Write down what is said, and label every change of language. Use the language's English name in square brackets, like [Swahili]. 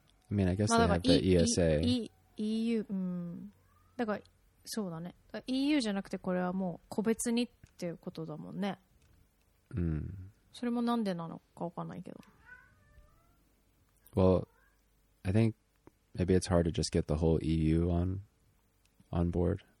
[English] I mean, I guess they have the ESA. [Japanese] EU... だから、そうだね。 EU じゃなくてこれはもう個別にっていうことだもんね。それもなんでなのかわかんないけど。 [English] Well, I think maybe it's hard to just get the whole EU on board.